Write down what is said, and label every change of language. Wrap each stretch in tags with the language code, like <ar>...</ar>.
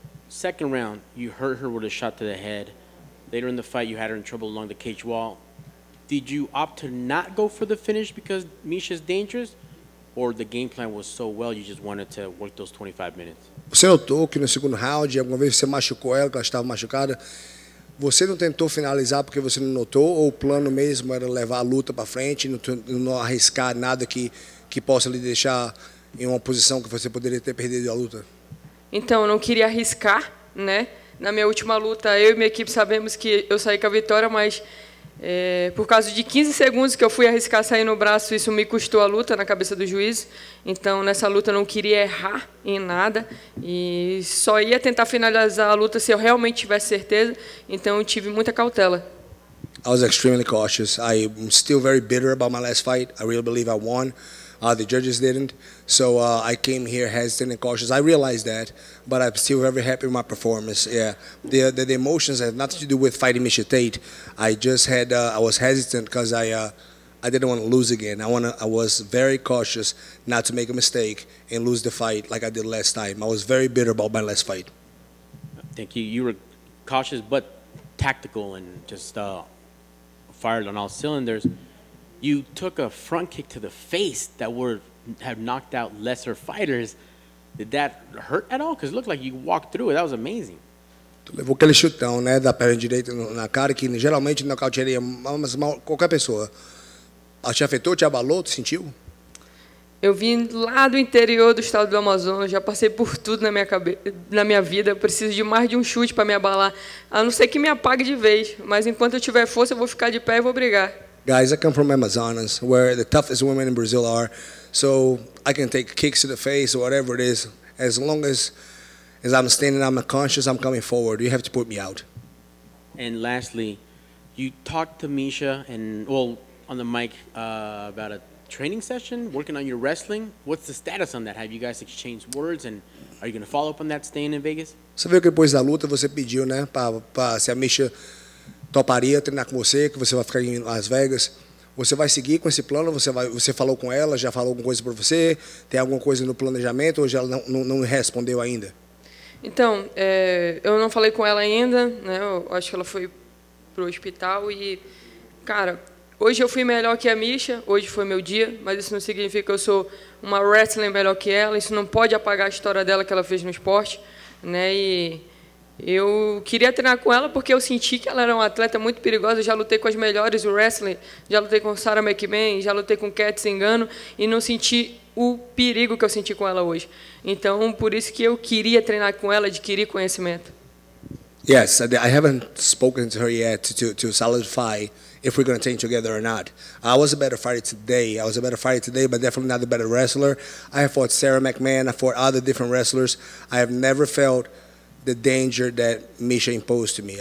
<en>Second round, you hurt her with a shot to the head. Later in the fight, you had her in trouble along the cage wall. Did you opt to not go for the finish because Misha's dangerous? Or the game plan was so well, you just wanted to work those 25 minutes?</en> <pt>Você notou que no segundo round, alguma vez você machucou ela, que ela estava machucada. Você não tentou finalizar porque você não notou? Ou o plano mesmo era levar a luta para frente, não arriscar nada que possa lhe deixar em uma posição que você poderia ter perdido a luta? Então, eu não queria arriscar, né? Na minha última luta, eu e minha equipe sabemos que eu saí com a vitória, mas Por causa de 15 segundos que eu fui arriscar sair no braço, isso me custou a luta na cabeça do juiz. Então, nessa luta, eu não queria errar em nada. E só ia tentar finalizar a luta se eu realmente tivesse certeza. Então, eu tive muita cautela.</pt> <en>I was extremely cautious. I'm still very bitter about my last fight. I really believe I won. The judges didn't. So I came here hesitant and cautious. I realized that, but I'm still very happy with my performance. Yeah, the emotions have nothing to do with fighting Misha Tate. I just had I was hesitant because I didn't want to lose again. I was very cautious not to make a mistake and lose the fight like I did last time. I was very bitter about my last fight. Thank you. You were cautious but tactical and just fired on all cylinders. You took a front kick to the face that were have knocked out lesser fighters. Did that hurt at all? Because it looked like you walked through it. That was amazing.</en> <pt>Tu levou aquele chutão, né, da perna direita na cara, que geralmente nocautearia mal qualquer pessoa. Te afetou, te abalou, te sentiu? Eu vim lá do interior do estado do Amazonas, já passei por tudo na minha vida. Eu preciso de mais de um chute para me abalar, a não ser que me apague de vez. Mas enquanto eu tiver força, eu vou ficar de pé e vou brigar.</pt> <en>Guys, I come from Amazonas, where the toughest women in Brazil are. So I can take kicks to the face or whatever it is. As long as I'm standing, I'm conscious, I'm coming forward. You have to put me out. And lastly, you talked to Misha and, well, on the mic about a training session, working on your wrestling. What's the status on that? Have you guys exchanged words? And are you going to follow up on that staying in Vegas?</en> <pt>Você viu que depois da luta você pediu, né, para se a Misha toparia treinar com você, que você vai ficar em Las Vegas. Você vai seguir com esse plano? Você falou com ela? Já falou alguma coisa para você? Tem alguma coisa no planejamento? Ou já não respondeu ainda? Então, eu não falei com ela ainda, né? Eu acho que ela foi pro hospital e, cara, hoje eu fui melhor que a Misha, hoje foi meu dia, mas isso não significa que eu sou uma wrestler melhor que ela. Isso não pode apagar a história dela que ela fez no esporte, né? E eu queria treinar com ela porque eu senti que ela era uma atleta muito perigosa. Eu já lutei com as melhores do wrestling, já lutei com Sarah McMahon, já lutei com Cat Zingano e não senti o perigo que eu senti com ela hoje. Então, por isso que eu queria treinar com ela, adquirir conhecimento.</pt> <en>Yes, I haven't spoken to her yet to solidify if we're going to train together or not. I was a better fighter today. I was a better fighter today, but definitely not a better wrestler. I have fought Sarah McMahon, I fought other different wrestlers. I have never felt the danger that Misha imposed to me.</en>